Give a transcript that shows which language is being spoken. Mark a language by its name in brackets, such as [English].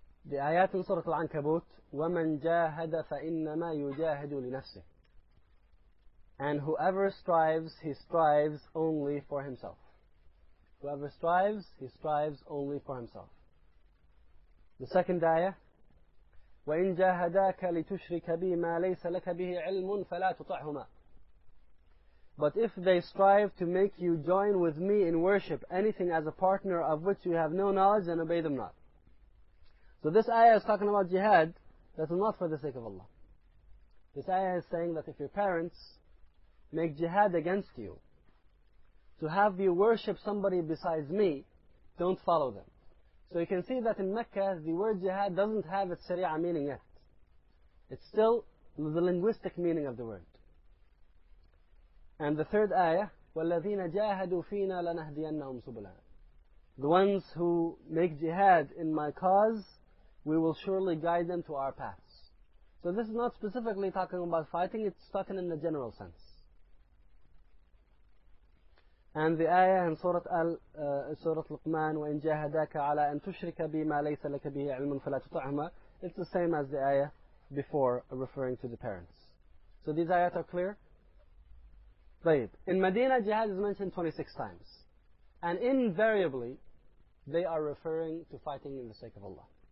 [English] The ayat in Surah Al-Ankabut, [Arabic] وَمَنْ جَاهَدَ فَإِنَّمَا يُجَاهَدُ لِنَفْسِهِ. [English] And whoever strives, he strives only for himself. Whoever strives, he strives only for himself. The second ayah, [Arabic] وَإِنْ جَاهَدَاكَ لِتُشْرِكَ بِي مَا لَيْسَ لَكَ بِهِ عِلْمٌ فَلَا تُطَعْهُمَا. [English] But if they strive to make you join with me in worship anything as a partner of which you have no knowledge, then obey them not. So this ayah is talking about jihad that is not for the sake of Allah. This ayah is saying that if your parents make jihad against you to have you worship somebody besides me, don't follow them. So you can see that in Mecca, the word jihad doesn't have its sharia meaning yet. It's still the linguistic meaning of the word. And the third ayah, [Arabic] وَالَّذِينَ جَاهَدُوا فِينَا لَنَهْدِيَنَّهُمْ سُبُلَانَ. [English] The ones who make jihad in my cause, we will surely guide them to our paths. So this is not specifically talking about fighting, it's talking in the general sense. And the ayah in Surah Luqman, [Arabic] وَإِنْ جَاهَدَاكَ عَلَىٰ أَنْ تُشْرِكَ بِي مَا لَيْسَ لَكَ بِهِ عِلْمٌ فَلَا تُطَعْهُمَا. [English] It's the same as the ayah before, referring to the parents. So these ayahs are clear? [Arabic] طيب. [English] In Medina, jihad is mentioned 26 times. And invariably, they are referring to fighting in the sake of Allah.